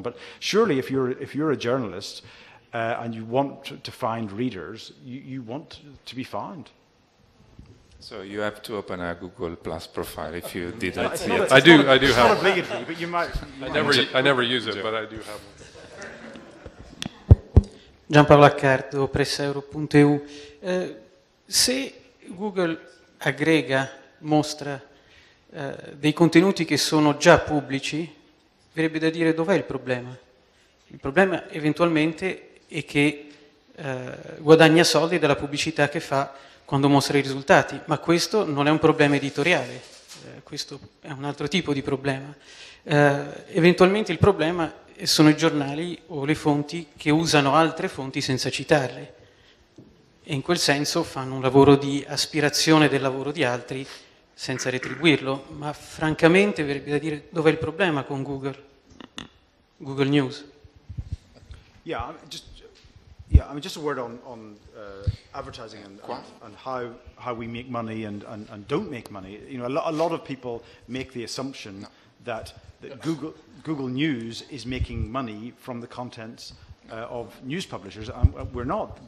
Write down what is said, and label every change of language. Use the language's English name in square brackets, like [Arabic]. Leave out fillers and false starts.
[English] But surely, if you're a journalist and you want to find readers, you want to be found. So you have to open a Google Plus profile if you didn't. I do have one. It's not obligatory, but you might. I never use it, but I do have one. Gianpaolo Accardo, PressaEuro.eu. [Italian] Se Google aggrega, mostra dei contenuti che sono già pubblici, verrebbe da dire dov'è il problema? Il problema eventualmente è che guadagna soldi dalla pubblicità che fa quando mostra i risultati, ma questo non è un problema editoriale, questo è un altro tipo di problema. Eventualmente il problema sono i giornali o le fonti che usano altre fonti senza citarle, e in quel senso fanno un lavoro di aspirazione del lavoro di altri senza retribuirlo, ma francamente verrebbe da dire dov'è il problema con Google News. [English] Just a word on advertising and how we make money and don't make money. You know, a lot of people make the assumption that Google News is making money from the contents of news publishers, and we're not.